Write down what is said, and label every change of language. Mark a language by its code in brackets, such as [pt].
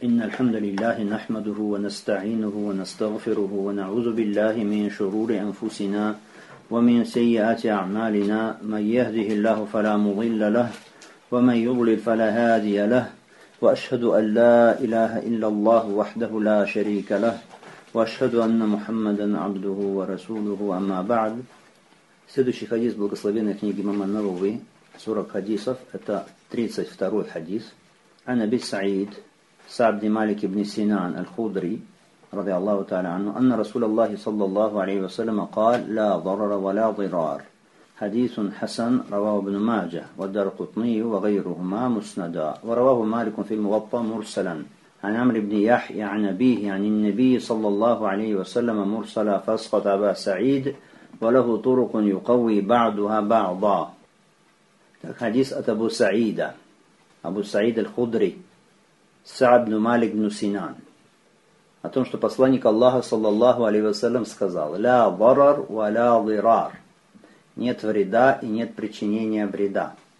[ar] إن الحمد لله نحمده ونستعينه ونستغفره ونعوذ بالله من شرور أنفسنا ومن سيئات أعمالنا، من يهده الله فلا مضل له ومن يضلل فلا هادي له، وأشهد أن لا إله إلا الله وحده لا شريك له، وأشهد أن محمدا عبده ورسوله. أما بعد، [ru] следующий хадис благословенной книги Имама ан-Науви, 40 хадисов, это 32 хадис. [ar] عن أبي سعيد سعد بن مالك بن سنان الخدري رضي الله تعالى عنه أن رسول الله صلى الله عليه وسلم قال لا ضرر ولا ضرار. حديث حسن رواه ابن ماجه والدارقطني وغيرهما مسندا، ورواه مالك في الموطأ مرسلا. عن عمرو بن يحيى عن أبيه عن النبي صلى الله عليه وسلم مرسلا، فأسقط أبا سعيد وله طرق يقوي بعضها بعضا. حديث أبو سعيد، [ru] Абу Саид аль-Худри, Саад ибн Малик ибн Синан, о том, что посланник Аллаха, саллаллаху алейхи ва саллям, сказал: «Ля барар ва ля дирар», «Нет вреда и нет причинения вреда».